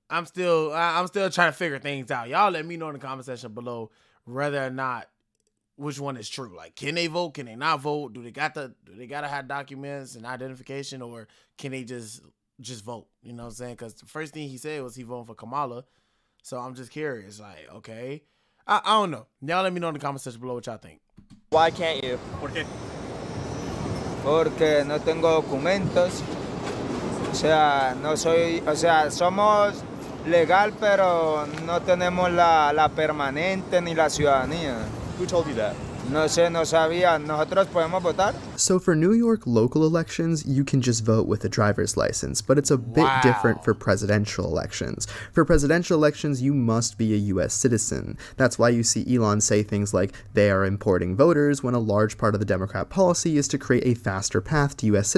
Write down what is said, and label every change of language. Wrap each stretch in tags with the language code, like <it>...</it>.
<en>I'm still trying to figure things out. Y'all let me know in the comment section below whether or not which one is true. Like, can they vote? Can they not vote? Do they gotta have documents and identification, or can they just vote? You know what I'm saying? Because the first thing he said was he voting for Kamala. So I'm just curious. Like, okay. I don't know. Y'all let me know in the comment section below what y'all think. Why can't you?</en> <es>¿Por qué? Porque no tengo documentos, o sea, no soy, o sea, somos legal, pero no tenemos la permanente ni la ciudadanía.</es> <en>Who told you that?</en> <es>No sé, no sabía. ¿Nosotros podemos votar?</es> <en>So for New York local elections, you can just vote with a driver's license, but it's a bit different for presidential elections. For presidential elections, you must be a U.S. citizen. That's why you see Elon say things like, they are importing voters, when a large part of the Democrat policy is to create a faster path to U.S.</en>